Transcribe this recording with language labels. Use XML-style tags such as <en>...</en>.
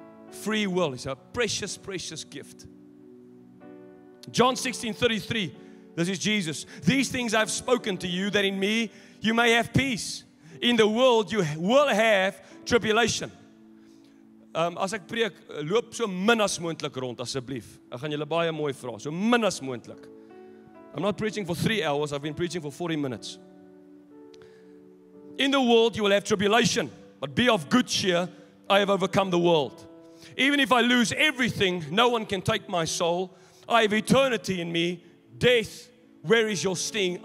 <en>Free will is a precious, precious gift. John 16:33, this is Jesus. These things I've spoken to you, that in me you may have peace. In the world you will have tribulation.</en> <af>As ek preek, loop so min as moontlik rond, asseblief. Ek gaan julle baie mooi vra, so min as moontlik.</af> <en>I'm not preaching for 3 hours, I've been preaching for 40 minutes. In the world you will have tribulation, but be of good cheer, I have overcome the world. Even if I lose everything, no one can take my soul. I have eternity in me. Death, where is your sting?</en>